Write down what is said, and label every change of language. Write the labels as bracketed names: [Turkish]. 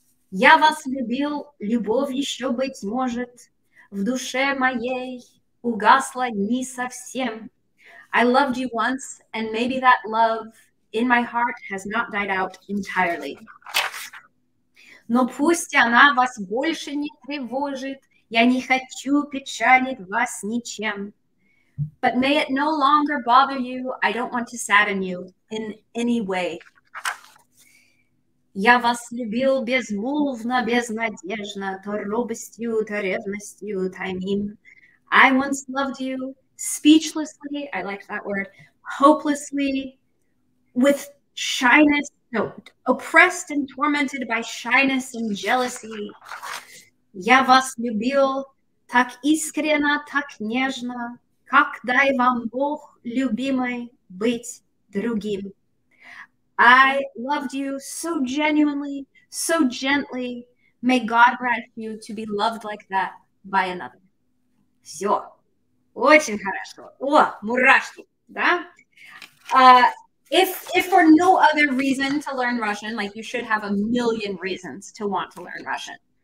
[Russian] Я вас любил, любовь еще быть может, в душе моей угасла не совсем. [English] I loved you once, and maybe that love in my heart has not died out entirely. [Russian] Но пусть она вас больше не тревожит, я не хочу печалить вас ничем. [English] But may it no longer bother you, I don't want to sadden you in any way. [Russian] Я вас любил безмолвно, безнадежно, то робостью, то ревностью, тайним. [English] I once loved you speechlessly, I like that word, hopelessly, with shyness, no, oppressed and tormented by shyness and jealousy. [Russian] Я вас любил так искренно, так нежно, как дай вам Бог любимый быть другим. [English] I loved you so genuinely, so gently. May God grant you to be loved like that by another. [Russian] Все. Очень хорошо. О, мурашки. Да? [English] If for no other reason to learn Russian, like you should have a million reasons to want to learn Russian.